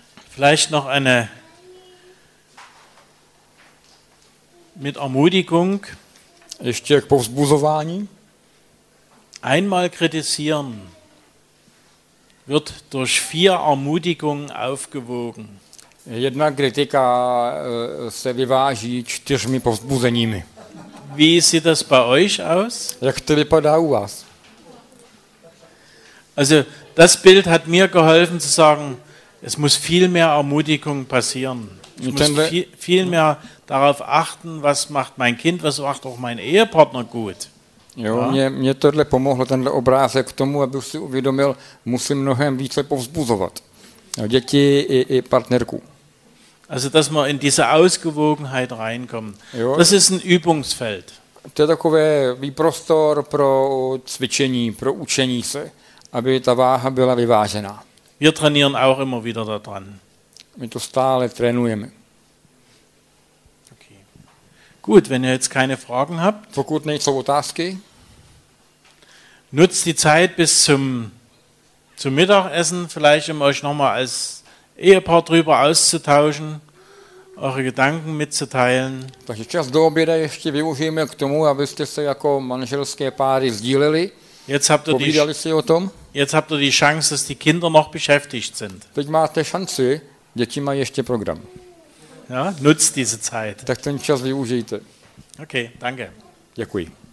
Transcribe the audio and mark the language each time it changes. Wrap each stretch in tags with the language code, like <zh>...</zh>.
<de>Vielleicht noch eine mit Ermutigung.</de> <cs>Ještě k povzbuzování.</cs> <de>Einmal kritisieren wird durch vier Ermutigungen aufgewogen.</de> <cs>Jedna kritika se vyváží čtyřmi povzbuzeními.</cs> <de>Wie sieht das bei euch aus?</de> <cs>Jak to vypadá u vás?</cs> <de>Also, das Bild hat mir geholfen zu sagen, es muss viel mehr Ermutigung passieren. Ich muss viel mehr darauf achten, was macht mein Kind, was macht auch mein Ehepartner gut.</de> <cs>Jo, mě tohle pomohlo, tenhle obrázek, k tomu, abych si uvědomil, musím mnohem více povzbuzovat děti i partnerku.</cs> <de>Also, dass man in diese Ausgewogenheit reinkommt. Jo, das ist ein Übungsfeld.</de> <cs>To je takový výprostor pro cvičení, pro učení se, aby ta váha byla vyvážená.</cs> <de>Wir trainieren auch immer wieder daran.</de> <cs>My to stále trénujeme. Okay.</cs> <de>Gut, wenn ihr jetzt keine Fragen habt.</de> <cs>Pokud nejsou otázky.</cs> <de>Nutzt die Zeit bis zum Mittagessen, vielleicht um euch nochmal als Ehepaar drüber auszutauschen, eure Gedanken mitzuteilen.</de> <cs>Takže čas do oběda ještě využijeme k tomu, abyste se jako manželské páry sdíleli. Povídali si o tom.</cs> <de>Jetzt habt ihr die Chance, dass die Kinder noch beschäftigt sind.</de> <cs>Teď máte šanci, děti mají ještě program.</cs> <de>Ja, nutzt diese Zeit.</de> <cs>Tak ten čas využijte.</cs> <de>Okay, danke.</de> <cs>Děkuji.</cs>